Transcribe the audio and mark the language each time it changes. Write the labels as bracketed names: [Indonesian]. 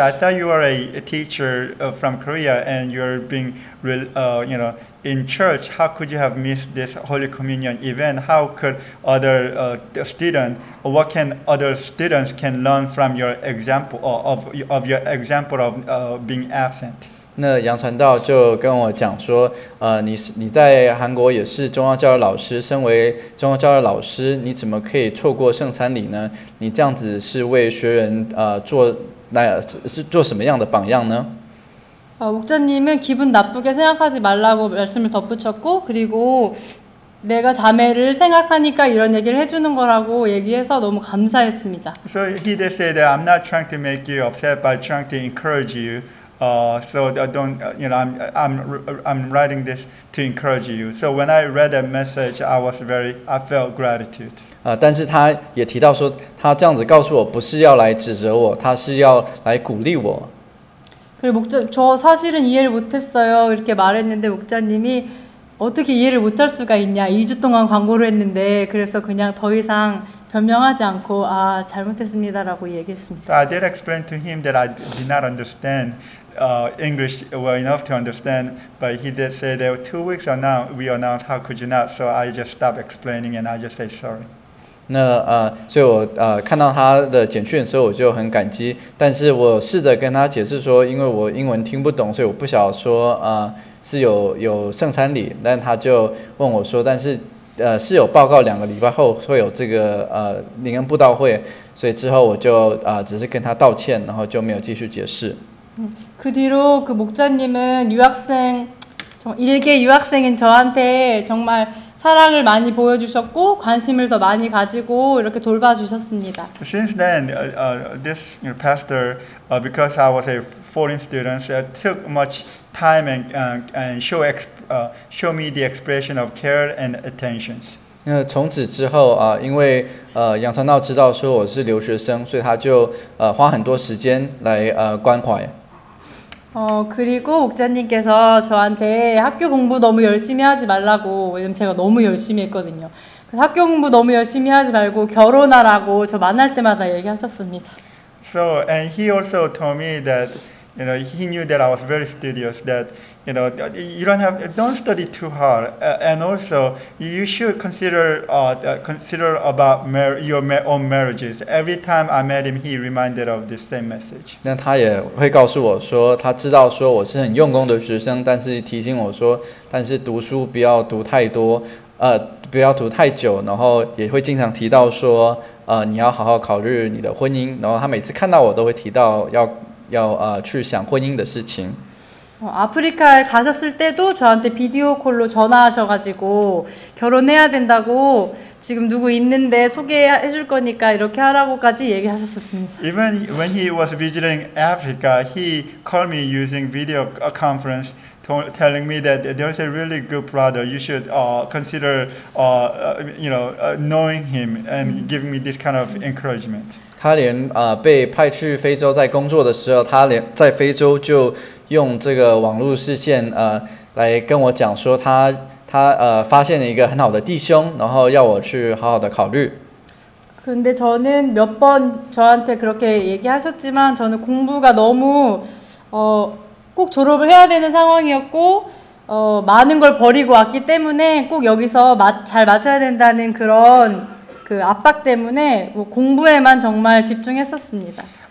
[English] I thought you were a teacher from Korea and you're being real, you know. In church, how could you have missed this Holy Communion event? How could other students, what can other students can learn from your example of your example of being absent? [Chinese] 那杨传道就跟我讲说，你在韩国也是中央教育老师，身为中央教育老师，你怎么可以错过圣餐礼呢？你这样子是为学员做什么样的榜样呢？ [Korean] 목자님은기분나쁘게생각하지말라고말씀을덧붙였고그리고내가자매를생각하니까이런얘기를해주는거라고얘기해서너무감사했습니다 [English] So he did say that I'm not trying to make you upset but trying to encourage you. So don't, you know, I'm writing this to encourage you. So when I read that message, I felt gratitude. [Chinese] 但是他也提到说他这样子告诉我不是要来指责我，他是要来鼓励我。 [Korean] 그리고목자저사실은이해를못했어요이렇게말했는데목자님이어떻게이해를못할수가있냐2주동안광고를했는데그래서그냥더이상변명하지않고아잘못했습니다라고얘기했습니다 [English] I did explain to him that I did not understand English well enough to understand, but he did say that two weeks from now we announced how could you not, so I just stopped explaining and I just say sorry. [Chinese] 那所以我看到他的简讯的时候，我就很感激。但是我试着跟他解释说，因为我英文听不懂，所以我不晓得说是有圣餐礼。但他就问我说，但是是有报告两个礼拜后会有这个灵恩布道会，所以之后我就只是跟他道歉，然后就没有继续解释。 [Korean] 그뒤로그목자님은유학생일개유학생인저한테정말사랑을많이보여주셨고관심을더많이가지고이렇게돌봐주셨습니다 [English] Since then, this pastor, because I was a foreign student, took much time and show me the expression of care and attention. [Chinese] 从此之后因为杨传道知道说我是留学生，所以他就花很多时间来关怀。 [Korean] 그리고목자님께서저한테학교공부너무열심히하지말라고왜냐면제가너무열심히했거든요학교공부너무열심히하지말고결혼하라고저만날때마다얘기하셨습니다 [English] So and he also told me that you know he knew that I was very studious that you know you don't study too hard and also you should consider about your own marriages every time I met him he reminded of the same message [Chinese] 那他也会告诉我说他知道说我是很用功的学生但是提醒我说但是读书不要读太多不要读太久然后也会经常提到说你要好好考虑你的婚姻然后他每次看到我都会提到要去想婚姻的事情 [Korean] 아프리카에가셨을때도저한테비디오콜로전화하셔가지고결혼해야된다고지금누구있는데소개해줄거니까이렇게하라고까지얘기하셨었습니다 [English] Even when he was visiting Africa, he called me using video conference, telling me that there's a really good brother. You should consider, you know, knowing him and giving me this kind of encouragement. [Chinese] 他连被派去非洲在工作的时候，他连在非洲就用这个网络视线来跟我讲说他发现了一个很好的弟兄，然后要我去好好的考虑。 [Korean] 근데저는몇번저한테그렇게얘기하셨지만저는공부가너무꼭졸업을해야되는상황이었고많은걸버리고왔기때문에꼭여기서잘맞춰야된다는그런그압박때문에공부에만정말집중했었습니다